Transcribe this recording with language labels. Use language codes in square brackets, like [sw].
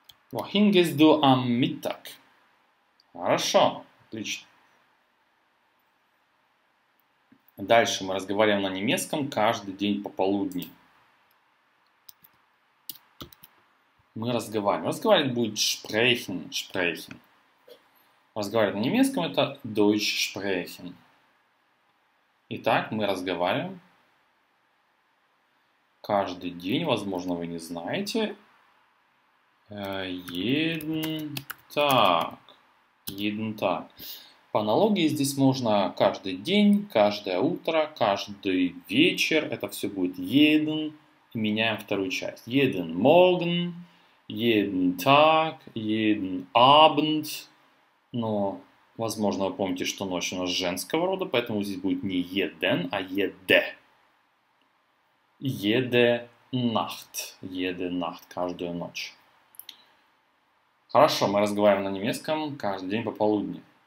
[de] Wohin gehst du am Mittag? [ru] Хорошо. Отлично. Дальше мы разговариваем на немецком каждый день пополудни. Мы разговариваем. Разговаривать будет sprechen, sprechen. Разговаривать на немецком это [de] Deutsch sprechen. [ru] Итак, мы разговариваем каждый день. Возможно, вы не знаете. [de] Jeden Tag. Jeden Tag. [ru] По аналогии здесь можно каждый день, каждое утро, каждый вечер. Это все будет jeden. И меняем вторую часть. [de] Jeden Morgen, jeden Tag, jeden Abend. [ru] Но, возможно, вы помните, что ночь у нас женского рода, поэтому здесь будет не jeden, а jede. [de] Jede Nacht. Jede Nacht. [ru] Каждую ночь. Хорошо, мы разговариваем на немецком каждый день пополудни.